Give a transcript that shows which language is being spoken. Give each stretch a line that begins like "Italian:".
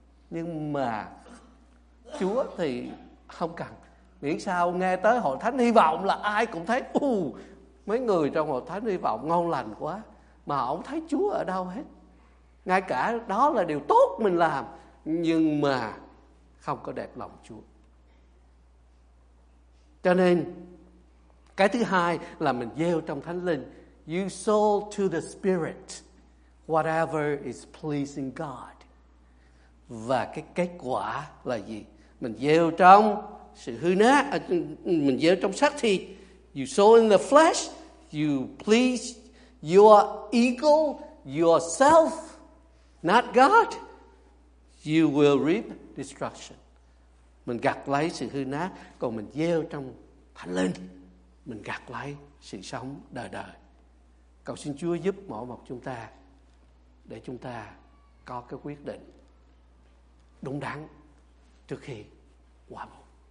Vietnamese: Nhưng mà Chúa thì không cần, miễn sao nghe tới hội thánh hy vọng là ai cũng thấy mấy người trong hội thánh hy vọng ngon lành quá, mà không thấy Chúa ở đâu hết. Ngay cả đó là điều tốt mình làm, nhưng mà không có đẹp lòng Chúa. Cho nên cái thứ hai là mình gieo trong Thánh Linh.
English: You sow to the Spirit whatever is pleasing God.
Vietnamese: Và cái kết quả là gì? Mình gieo trong sự hư nát, mình gieo trong xác thịt.
English: You sow in the flesh, you please your ego, yourself, not God. You will reap destruction.
Vietnamese: Mình gặt lấy sự hư nát, còn mình gieo trong Thánh Linh, mình gặt lấy sự sống đời đời. Cầu xin Chúa giúp mỗi một chúng ta, để chúng ta có cái quyết định đúng đắn trước khi quả báo.